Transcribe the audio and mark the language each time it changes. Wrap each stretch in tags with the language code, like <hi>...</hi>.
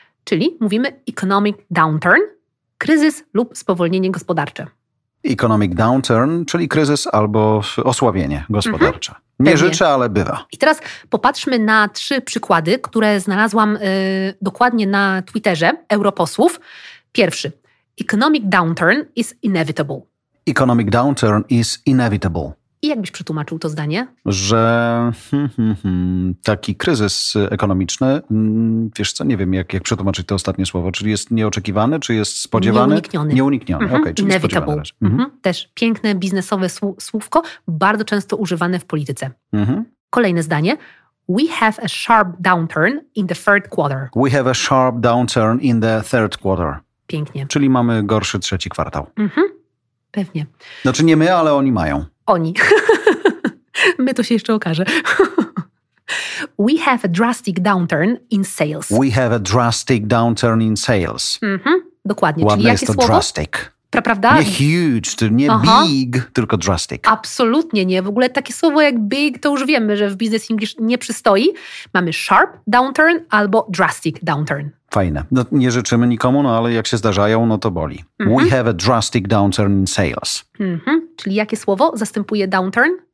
<pl>Czyli mówimy economic downturn, kryzys lub spowolnienie gospodarcze. Economic downturn, czyli kryzys albo osłabienie gospodarcze. Mhm, nie życzę, ale bywa. I teraz popatrzmy na trzy przykłady, które znalazłam dokładnie na Twitterze europosłów. Pierwszy.</pl> <en>Economic downturn is inevitable. Economic downturn is inevitable.</en> <pl>I jak byś przetłumaczył to zdanie? Że taki kryzys ekonomiczny, wiesz co, nie wiem jak przetłumaczyć to ostatnie słowo, czyli jest nieoczekiwany, czy jest spodziewany? Nieunikniony. Nieunikniony, mm-hmm. Okej, czyli</pl> <en>inevitable.</en> <pl>Spodziewany. Mm-hmm. Mm-hmm. Też piękne biznesowe słówko, bardzo często używane w polityce. Mm-hmm. Kolejne zdanie.</pl> <en>We have a sharp downturn in the third quarter. We have a sharp downturn in the third quarter.</en> <pl>Pięknie. Czyli mamy gorszy trzeci kwartał. Mm-hmm. Pewnie. Znaczy nie my, ale oni mają. Oni. My to się jeszcze okaże.</pl> <en>We have a drastic downturn in sales. We have a drastic downturn in sales.</en> <pl>Mm-hmm. Dokładnie. Ładne. Czyli jest jakie słowo?</pl> <en>Drastic.</en> <pl>Prawda? Nie huge, nie aha. Big, tylko drastic. Absolutnie nie. W ogóle takie słowo jak big, to już wiemy, że w business English nie przystoi. Mamy sharp downturn albo drastic downturn. Fajne. No, nie życzymy nikomu, no ale jak się zdarzają, no to boli. Mm-hmm.</pl> <en>We have a drastic downturn in sales. Mm-hmm.</en> <pl>Czyli jakie słowo zastępuje downturn?</pl>